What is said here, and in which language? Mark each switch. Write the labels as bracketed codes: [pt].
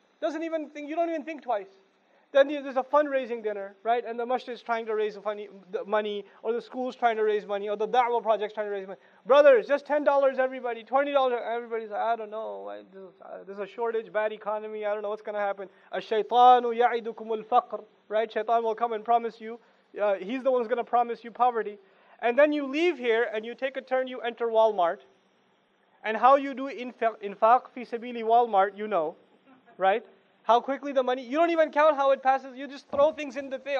[en] You don't even think twice. Then there's a fundraising dinner, right? And the masjid is trying to raise money, or the school's trying to raise money, or the da'wah project's trying to raise money. Brothers, just $10 everybody, $20, everybody's like, I don't know, there's a shortage, bad economy, I don't know what's going to happen. [ar] الشيطان يعدكم الفقر, right? [en] Shaitan will come and promise you, he's the one who's going to promise you poverty. And then you leave here, and you take a turn, you enter Walmart. And how you do infaq fi sabili Walmart, you know, right? How quickly the money, you don't even count how it passes, you just throw things in the thing.